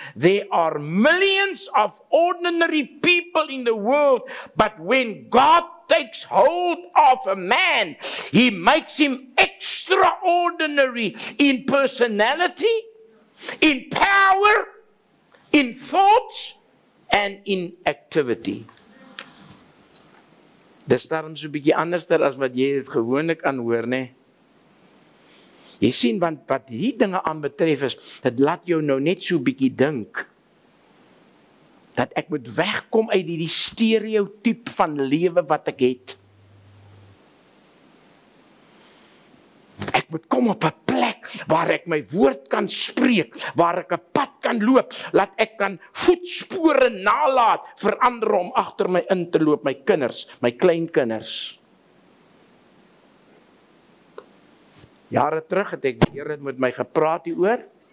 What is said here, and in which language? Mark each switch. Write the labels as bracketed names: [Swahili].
[English] There are millions of ordinary people in the world, but when God takes hold of a man, he makes him extraordinary in personality, in power, in thoughts, and in activity. [Afrikaans] Dis daarom so 'n bietjie anderster as wat jy dit gewoonlik aanhoor, nê? Jy sien, want wat hierdie dinge aanbetref is, dit laat jou nou net so 'n bietjie dink, dat ek moet wegkom uit die stereotype van lewe wat ek het. Ek moet kom op 'n plek waar ek my woord kan spreek, waar ek 'n pad kan loop, laat ek kan voetspore nalaat vir ander om agter my in te loop, my kinders, my kleinkinders. Jare terug het ek die Here met my gepraat hieroor.